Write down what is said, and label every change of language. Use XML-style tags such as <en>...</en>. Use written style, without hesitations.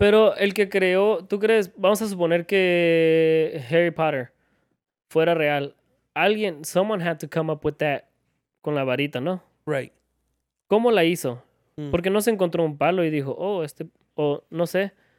<es>Pero el que creó, tú crees, vamos a suponer que Harry Potter fuera real.</es> <en>Someone had to come up with that</en> <es>con la varita, ¿no?</es> <en>Right.</en> <es>¿Cómo la hizo? Mm. Porque no se encontró un palo y dijo, oh, este, o no sé.</es>